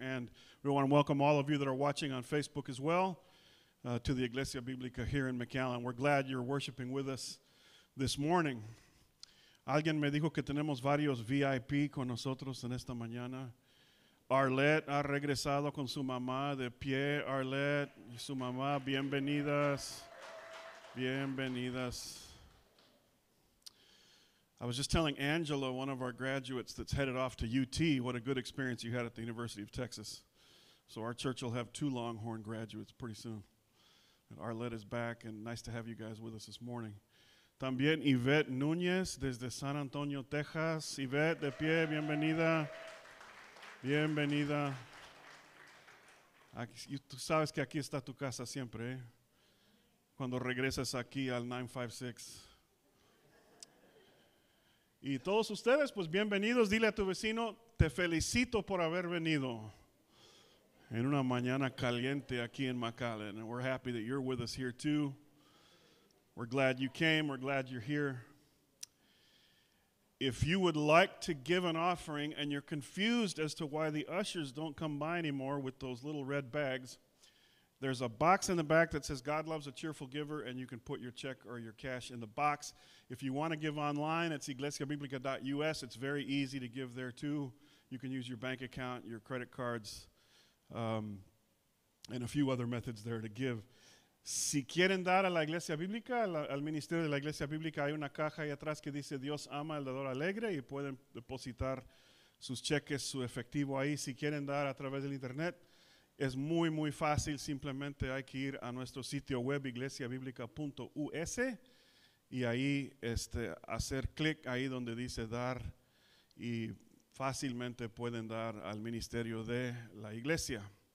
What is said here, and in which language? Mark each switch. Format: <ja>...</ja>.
<en>And we want to welcome all of you that are watching on Facebook as well to the Iglesia Bíblica here in McAllen. We're glad you're worshiping with us this morning.</en> <es>Alguien me dijo que tenemos varios VIP con nosotros en esta mañana. Arlette ha regresado con su mamá de pie. Arlette y su mamá, bienvenidas. Bienvenidas.</es> <en>I was just telling Angela, one of our graduates that's headed off to UT, what a good experience you had at the University of Texas. So our church will have two Longhorn graduates pretty soon. And Arlette is back, and nice to have you guys with us this morning.</en> <es>También Yvette Núñez desde San Antonio, Texas. Yvette, de pie, bienvenida. Bienvenida. Aquí, tú sabes que aquí está tu casa siempre, ¿eh? Cuando regresas aquí al 956. Y todos ustedes, pues bienvenidos. Dile a tu vecino, te felicito por haber venido en una mañana caliente aquí en McAllen.</es> <en>And we're happy that you're with us here too. We're glad you came. We're glad you're here. If you would like to give an offering and you're confused as to why the ushers don't come by anymore with those little red bags, there's a box in the back that says God loves a cheerful giver, and you can put your check or your cash in the box. If you want to give online, it's iglesiabiblica.us. It's very easy to give there too. You can use your bank account, your credit cards, and a few other methods there to give.</en> <es>Si quieren dar a la Iglesia Bíblica, al Ministerio de la Iglesia Bíblica, hay una caja ahí atrás que dice Dios ama al dador alegre, y pueden depositar sus cheques, su efectivo ahí. Si quieren dar a través del internet, es muy, muy fácil. Simplemente hay que ir a nuestro sitio web, iglesiabiblica.us, y ahí hacer clic ahí donde dice dar, y fácilmente pueden dar al Ministerio de la Iglesia.</es>